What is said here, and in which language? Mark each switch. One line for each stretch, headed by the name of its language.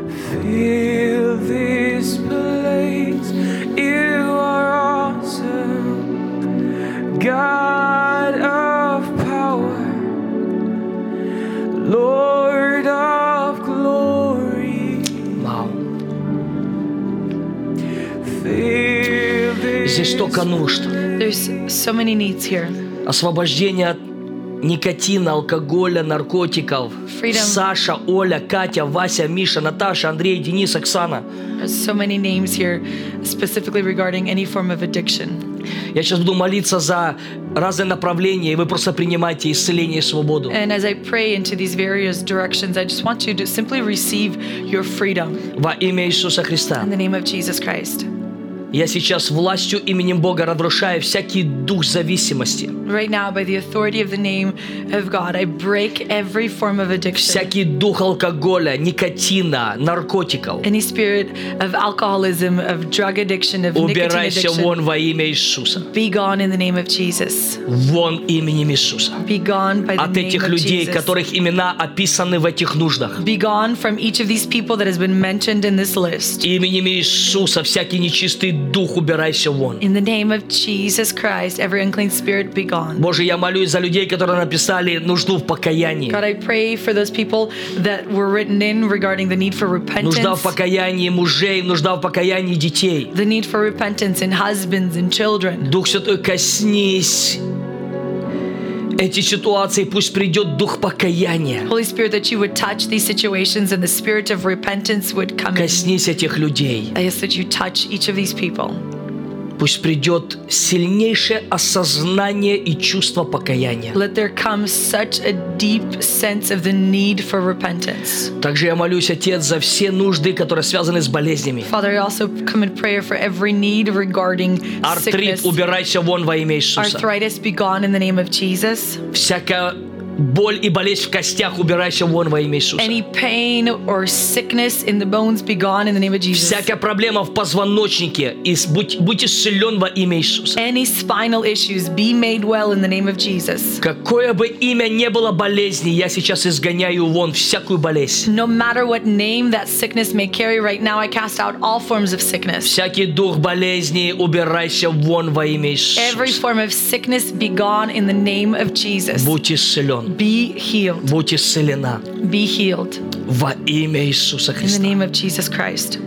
English: Fill this place, you are awesome, God of power, Lord of glory. Wow. Fill this place. There's so many needs here.
Russian: Освобождение от никотина, алкоголя, наркотиков.
English: Freedom.
Russian: Саша, Оля, Катя, Вася, Миша, Наташа, Андрей, Денис, Оксана.
English: There's so many names here, specifically regarding any form of addiction.
Russian: Я сейчас буду молиться за разные направления, и вы просто принимайте исцеление и свободу.
English: And as I pray into these various directions, I just want you to simply receive your freedom.
Russian: Во имя Иисуса Христа.
English: In the name of Jesus Christ.
Russian: Я сейчас властью именем Бога разрушаю всякий дух зависимости.
English: Right now, by the authority of the name of God, I break every form of addiction.
Russian: Всякий дух алкоголя, никотина, наркотиков.
English: Any spirit of alcoholism, of drug addiction, of nicotine addiction.
Russian: Убирайся вон во имя Иисуса.
English: Be gone in the name of Jesus.
Russian: Вон именем Иисуса.
English: Be gone by the name of Jesus.
Russian: От этих людей, которых имена описаны в этих нуждах.
English: Be gone from each of these people that has been mentioned in this list.
Russian: Именем Иисуса всякий нечистый дух убирайся вон.
English: In the name of Jesus Christ, every unclean spirit be gone.
Russian: Боже, я молюсь за людей, которые написали нужду в покаянии.
English: God, I pray for those people that were written in regarding the need for repentance.
Russian: Нужда в покаянии мужей, нужда в покаянии детей.
English: The need for repentance in husbands and children.
Russian: Дух Святой, коснись эти ситуации, пусть придет дух покаяния.
English: Holy Spirit, that you would touch these situations and the spirit of repentance would come.
Russian: Коснись
English: in.
Russian: Этих людей.
English: I ask that you touch each of these people.
Russian: Пусть придет сильнейшее осознание и чувство покаяния.
English: Let there come such a deep sense of the need for repentance.
Russian: Также я молюсь, Отец, за все нужды, которые связаны с болезнями.
English: Father, I also come in prayer for every need regarding sickness.
Russian: Артрит, убирайся вон во имя Иисуса.
English: Arthritis, be gone in the name of Jesus.
Russian: Боль и болезнь в костях убирайся вон во имя Иисуса.
English: Any pain or sickness in the bones be gone in the name of Jesus.
Russian: Всякая проблема в позвоночнике и будь исцелен во имя Иисуса.
English: Any spinal issues be made well in the name of Jesus.
Russian: Какое бы имя не было болезни, я сейчас изгоняю вон всякую болезнь.
English: No matter what name that sickness may carry right now, I cast out all forms of sickness.
Russian: Всякий дух болезни убирайся вон во имя Иисуса.
English: Every form of sickness be gone in the name of Jesus.
Russian: Будь исцелен.
English: Be healed.
Russian: Будь исцелена.
English: Be healed.
Russian: Во имя Иисуса Христа.
English: In the name of Jesus Christ.